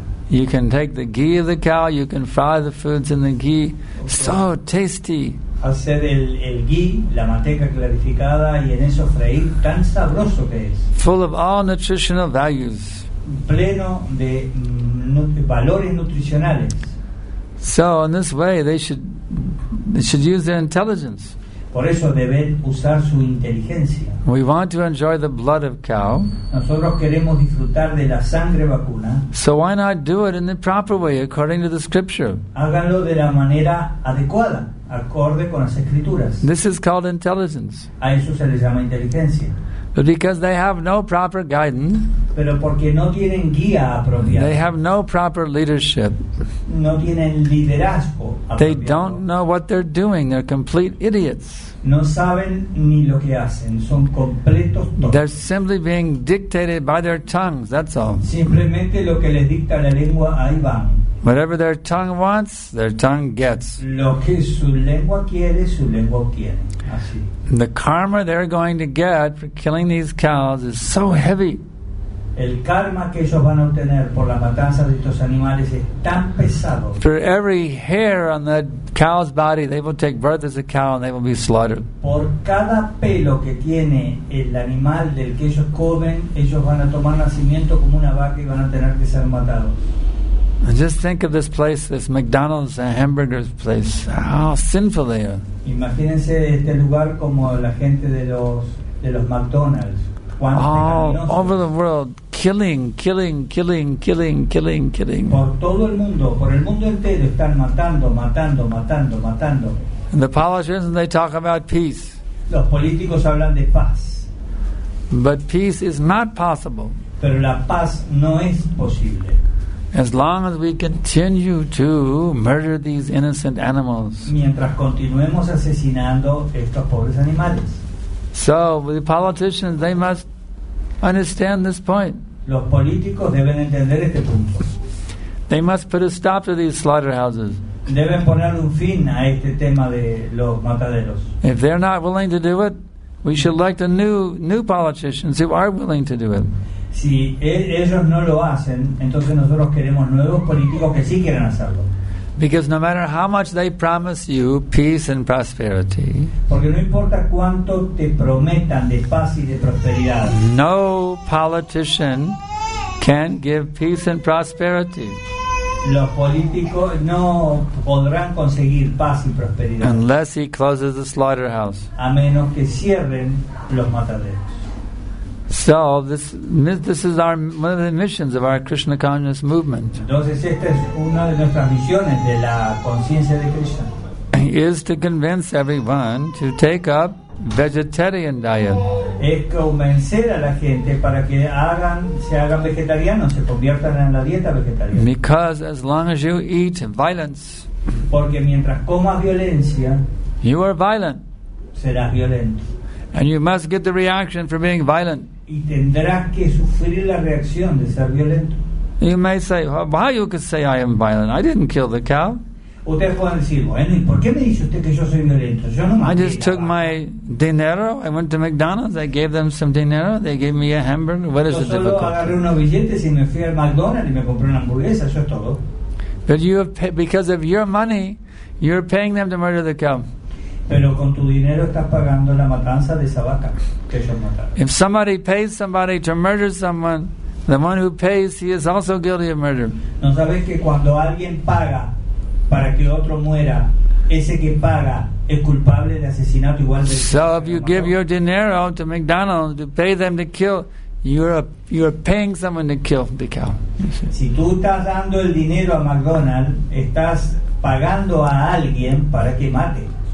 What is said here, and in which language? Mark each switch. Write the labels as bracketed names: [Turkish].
[English] You can take the ghee of the cow. You can fry the foods in the ghee. So tasty. [Spanish] Hacer el ghee, la manteca clarificada, y en eso freír. Tan sabroso que es. [English] Full of all nutritional values. [Spanish] Pleno de valores nutricionales. [English] So in this way they should use their intelligence. [Spanish] Por eso deben usar su inteligencia. [English] We want to enjoy the blood of cow. [Spanish] Nosotros queremos disfrutar de la sangre vacuna. [English] So why not do it in the proper way according to the scripture? [Spanish] Háganlo de la manera adecuada, acorde con las escrituras. [English] This is called intelligence. [Spanish] A eso se le llama inteligencia. [English] But because they have no proper guidance, [Spanish] pero porque no tienen guía apropiada, [English] they have no proper leadership, [Spanish] no tienen liderazgo apropiado, [English] they don't know what they're doing, they're complete idiots. [Spanish] No saben ni lo que hacen, son completos tontos. [English] They're simply being dictated by their tongues, that's all. [Spanish] Simplemente lo que les dicta la lengua, ahí van. [English] Whatever their tongue wants, their tongue gets. [Spanish] Lo que su lengua quiere, su lengua obtiene. Así. [English] The karma they're going to get for killing these cows is so heavy. [Spanish] El karma que ellos van a obtener por la matanza de estos animales es tan pesado. [English] For every hair on the cow's body, they will take birth as a cow and they will be slaughtered. [Spanish] Por cada pelo que tiene el animal del que ellos comen, ellos van a tomar nacimiento como una vaca y van a tener que ser matados. [English] Just think of this place, this McDonald's hamburgers place. How sinful they are. [Spanish] Imagínense este lugar como la gente de los McDonald's. [English] All over the world, killing. [Spanish] Por todo el mundo, por el mundo entero, están matando. [English] And the politicians, they talk about peace. [Spanish] Los políticos hablan de paz. [English] But peace is not possible. [Spanish] Pero la paz no es posible. [English] As long as we continue to murder these innocent animals. [Spanish] Mientras continuemos asesinando estos pobres animales. [English] So the politicians, they must understand this point. [Spanish] Los políticos deben entender este punto. [English] They must put a stop to these slaughterhouses. [Spanish] Deben poner un fin a este tema de los mataderos. [English] If they're not willing to do it, we should elect a new politicians who are willing to do it. [Spanish] Si ellos no lo hacen, entonces nosotros queremos nuevos políticos que sí quieran hacerlo. [English] Because no matter how much they promise you peace and prosperity, [Spanish] porque no importa cuánto te prometan de paz y de prosperidad, [English] no politician can give peace and prosperity. [Spanish] Los políticos no podrán conseguir paz y prosperidad. [English] Unless he closes the slaughterhouse. [Spanish] A menos que cierren los mataderos. [English] So this is our one of the missions of our Krishna consciousness movement. [Spanish] Entonces esta es una de nuestras misiones de la conciencia de Krishna. [English] Is to convince everyone to take up vegetarian diet. [Spanish] Es convencer a la gente para que se hagan vegetarianos, se conviertan en la dieta vegetariana. [English] Because as long as you eat violence, [Spanish] porque mientras comas violencia, [English] you are violent. [Spanish] Serás violento. [English] And you must get the reaction for being violent. [Spanish] Y tendrás que sufrir la reacción de ser violento. [English] You may say, why you could say I am violent? I didn't kill the cow. [Spanish] Ustedes pueden decir, bueno, ¿y por qué me dice usted que yo soy violento? Yo no maté. [English] I just took my dinero. I went to McDonald's. I gave them some dinero. They gave me a hamburger. What is the difficulty? [Spanish] Yo solo agarré unos billetes y me fui al McDonald's y me compré una hamburguesa. Eso es todo. [English] But you have paid, because of your money, you're paying them to murder the cow. [Spanish] Pero con tu dinero estás pagando la matanza de esa vaca que ellos mataron. [English] If somebody pays somebody to murder someone, the one who pays, he is also guilty of murder. [Spanish] ¿No sabes que cuando alguien paga para que otro muera, ese que paga es culpable de asesinato igual de? [English] So if you give your dinero to McDonald's to pay them to kill, you're paying someone to kill the cow. [Spanish] Si tú estás dando el dinero a McDonald's, estás pagando a alguien para que mate.